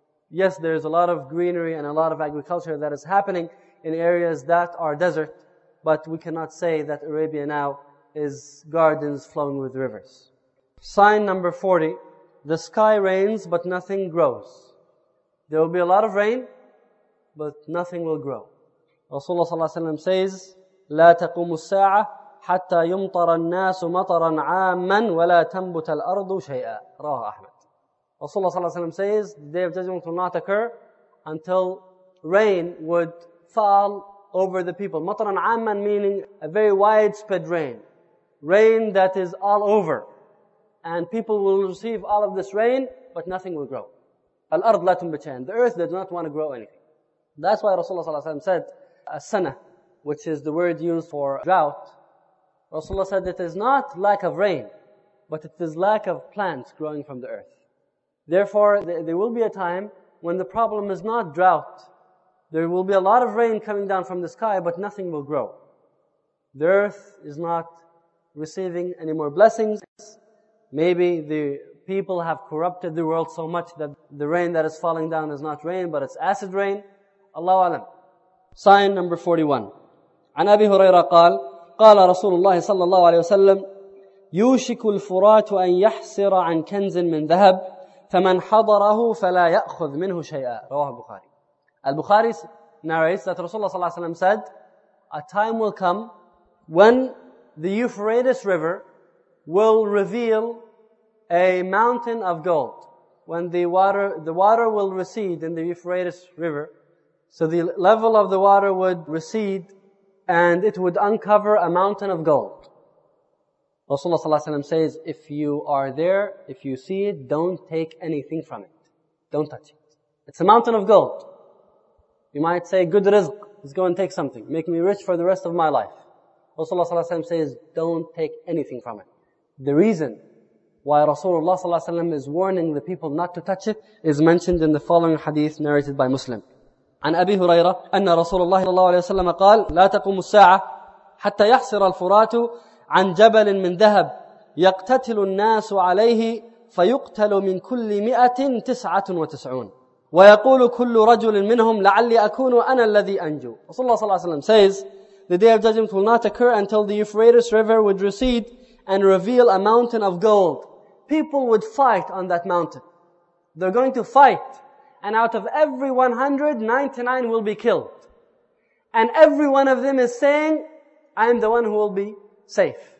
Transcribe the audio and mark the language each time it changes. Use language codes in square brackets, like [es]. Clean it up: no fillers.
[en] Yes, there's a lot of greenery and a lot of agriculture that is happening in areas that are desert, but we cannot say that Arabia now is gardens flowing with rivers. Sign number 40, the sky rains but nothing grows. There will be a lot of rain, but nothing will grow. [ar] Rasulullah sallallahu alaihi wasallam says, لا تقوم الساعة حتى يمطر الناس مطرا عاما ولا تنبت الأرض شيئا. رواه أحمد. [en] Rasulullah sallallahu alayhi wa sallam says, the day of judgment will not occur until rain would fall over the people. [ar] Mataran amman, [en] meaning a very widespread rain. Rain that is all over. And people will receive all of this rain, but nothing will grow. [ar] Al-ard la tumbachan. [en] The earth, they do not want to grow anything. That's why Rasulullah sallallahu alayhi wa sallam said, as-sana, which is the word used for drought. Rasulullah said, it is not lack of rain, but it is lack of plants growing from the earth. Therefore, there will be a time when the problem is not drought. There will be a lot of rain coming down from the sky, but nothing will grow. The earth is not receiving any more blessings. Maybe the people have corrupted the world so much that the rain that is falling down is not rain, but it's acid rain. Allahu alam. Sign number 41. [ar] عن أبي هريرة قال قال رسول الله صلى الله عليه وسلم يوشك الفرات أن يحسر عن كنز من ذهب فمن حضره فلا يأخذ منه شيئا. رواه البخاري. [en] البخاري narrates that Rasulullah صلى الله عليه وسلم said, a time will come when the Euphrates River will reveal a mountain of gold. When the water will recede in the Euphrates River, so the level of the water would recede and it would uncover a mountain of gold. Rasulullah صلى الله عليه وسلم says, if you are there, if you see it, don't take anything from it. Don't touch it. It's a mountain of gold. You might say, good rizq, let's go and take something. Make me rich for the rest of my life. Rasulullah صلى الله عليه وسلم says, don't take anything from it. The reason why Rasulullah صلى الله عليه وسلم is warning the people not to touch it is mentioned in the following hadith narrated by Muslim. [ar] عن أبي هريرة أن رسول الله صلى الله عليه وسلم قال لا تقوم الساعة حتى يحصر الفرات عن جبل من ذهب يقتتل الناس عليه فيقتل من كل 199 ويقول كل رجل منهم لعلي أكون أنا الذي أنجو. [en] رسول الله صلى الله عليه وسلم says the day of judgment will not occur until the Euphrates River would recede and reveal a mountain of gold. People would fight on that mountain. They're going to fight. And out of every 100, 99 will be killed. And every one of them is saying, I am the one who will be safe.